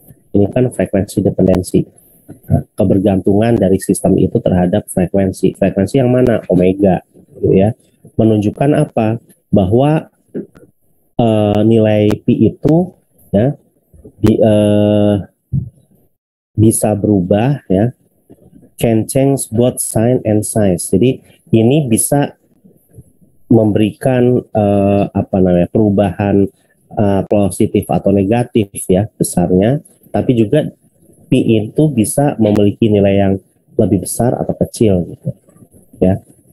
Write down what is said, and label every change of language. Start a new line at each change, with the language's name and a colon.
Indonesian: Ini kan frequency dependency. Nah, kebergantungan dari sistem itu terhadap frekuensi. Frekuensi yang mana? Omega. Gitu ya. Menunjukkan apa? Bahwa nilai P itu ya bisa berubah ya.
English: Can change both sign and size.
Indonesian: Jadi ini bisa memberikan apa namanya perubahan positif atau negatif ya besarnya. Tapi juga P itu bisa memiliki nilai yang lebih besar atau kecil gitu. Ya.